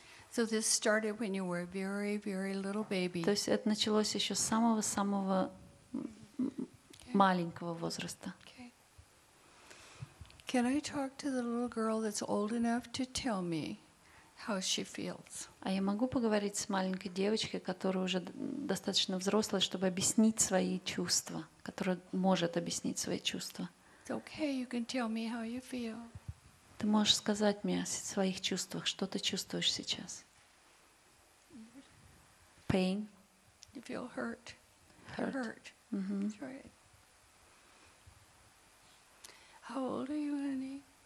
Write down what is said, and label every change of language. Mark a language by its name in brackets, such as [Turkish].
[English] So this started when you were a very, very little baby. [Russian] То есть это началось еще с самого-самого маленького возраста. [English] Can I talk to the little girl that's old enough to tell me? How she feels. [Russian] А я могу поговорить с маленькой девочкой, которая уже достаточно взрослая, чтобы объяснить свои чувства, которая может объяснить свои чувства. [English] It's okay, you can tell me how you feel. [Russian] Ты можешь сказать мне о своих чувствах, что ты чувствуешь сейчас? [English] Pain. You feel hurt. Hurt. Mm-hmm. That's right. How old are you, honey?